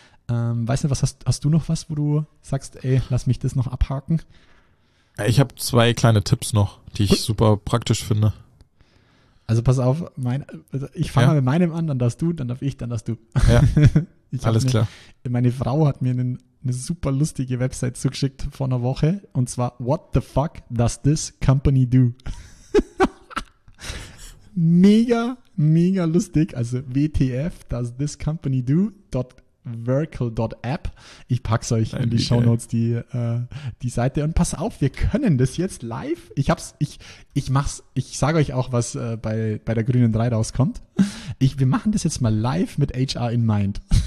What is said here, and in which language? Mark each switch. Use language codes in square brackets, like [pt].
[de] Weißt du, was hast du noch was, wo du sagst, ey, lass mich das noch abhaken? Ich habe zwei kleine Tipps noch, die ich super praktisch finde. Also pass auf, ich fange mal mit meinem an, dann darfst du, dann darf ich, dann darfst du. Ja. Alles klar. Meine Frau hat mir eine super lustige Website zugeschickt vor einer Woche. Und zwar, [en] what the fuck does this company do? Mega, mega lustig. Also WTF does this company do? .verkle.app. [de] Ich pack's euch in die Shownotes, die Seite. Und pass auf, wir können das jetzt live. Ich sage euch auch, was bei der grünen 3 rauskommt. Wir machen das jetzt mal live mit HR in mind.